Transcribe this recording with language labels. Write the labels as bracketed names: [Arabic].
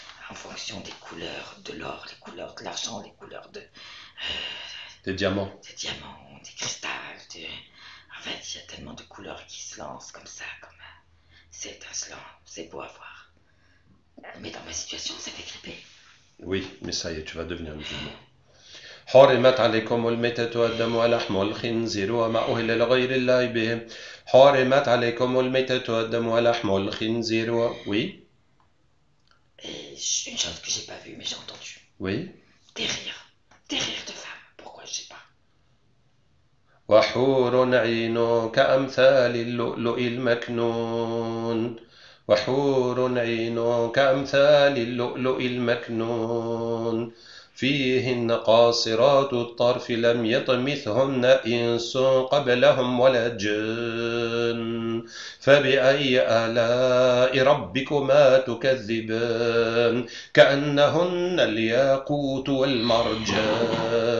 [French] En fonction des couleurs de l'or, les couleurs de l'argent, les couleurs de... Des diamants. Des cristals, en fait, il y a tellement de couleurs qui se lancent comme ça, comme c'est étincelant, c'est beau à voir. Mais dans ma situation, ça fait grippé. Oui, mais ça y est, tu vas devenir musulman. [Arabic] حرمت عليكم الميتة والدم ولحم الخنزير وما أهل لغير الله به. حرمت عليكم الميتة والدم ولحم الخنزير و. [French] Oui. Une chose que j'ai pas vue, mais j'ai entendu. Oui. Des rires de femmes. Pourquoi je sais pas. [Arabic] وحور عين كأمثال اللؤلؤ المكنون وحور عين كأمثال اللؤلؤ المكنون، فيهن قاصرات الطرف لم يطمثهن إنس قبلهم ولا جن، فبأي آلاء ربكما تكذبان، كأنهن الياقوت والمرجان.